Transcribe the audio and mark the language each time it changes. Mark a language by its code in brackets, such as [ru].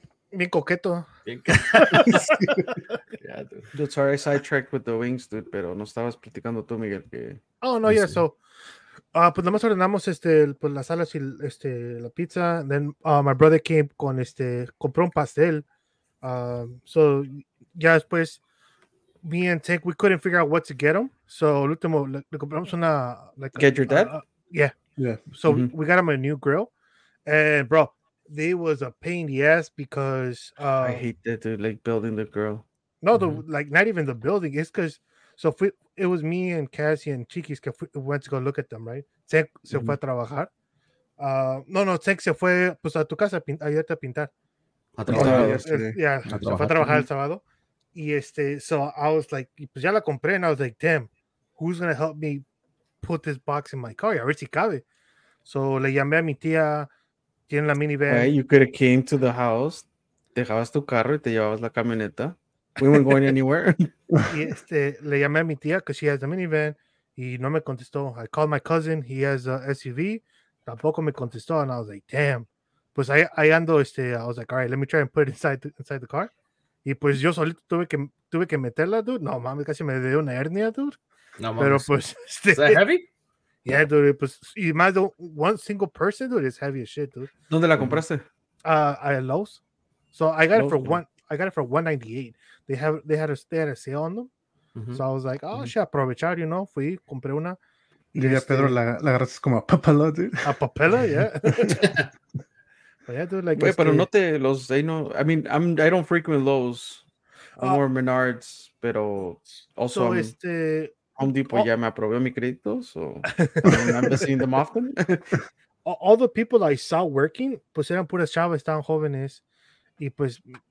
[es] Bien coqueto. [en] Yeah, dude. Sorry, I sidetracked with the wings, dude, [es] pero no estabas platicando tú, Miguel, que... [en] Oh, no, yeah, so... [es] pues nomás ordenamos pues las alas y este la pizza. [en] And then my brother came [es] con este compró un pastel. [en] So [es] ya después [en] me and Tank we couldn't figure out what to get him. [es] So el último le compramos una like [en] get your dad. Yeah. So mm-hmm. We got him a new grill, and bro, they was a pain in the ass because I hate that dude, like building the grill. No, mm-hmm. Like not even the building. It's because. So it was me and Cassie and Chiquis que went to go look at them, right? [es] Tank mm-hmm. se fue a trabajar. No, Tank se fue pues, a tu casa a pintar. A trabajar. Se fue a trabajar el sábado. Y este, [en] so I was like, [es] pues ya la compré. [en] And I was like, damn, who's going to help me put this box in my car? [es] A ver si cabe. So le llamé a mi tía. Tiene la minivan. [en] Hey, you could have came to the house. [es] Dejabas tu carro y te llevabas la camioneta. [en] We weren't going anywhere. [es] Y este, le llamé a mi tía [en] because she has the minivan [es] y no me contestó. [en] I called my cousin. He has a SUV. [es] Tampoco me contestó. [en] And I was like, damn. Pues I ando, este, I was like, all right, let me try and put it inside the car. [es] Y pues yo solito tuve que meterla, dude. No mames, casi me dio una hernia, dude. No mames. Pero pues, ¿es heavy? [en] Yeah, dude. Pues, [es] y más de [en] one single person, dude, is heavy as shit, dude. [es] ¿Dónde la compraste? [en] At Lowe's. So I got it for $198. They had a sale on them. Mm-hmm. So I was like, oh, mm-hmm. shit, aprovechar, you know. [es] Fui, compré una. Diría Pedro, la agarraste como a papela, dude. A papela, yeah. [en] But yeah, dude, like. Wait, [es] pero no te los, [en] they know. I mean, I don't frequent Lowe's. I'm more Menards, pero also. So Home Depot, [es] ya me aprobó mi crédito, [en] so I'm seeing them often. All the people I saw working, [es] pues eran puras chavas, estaban jóvenes, y pues.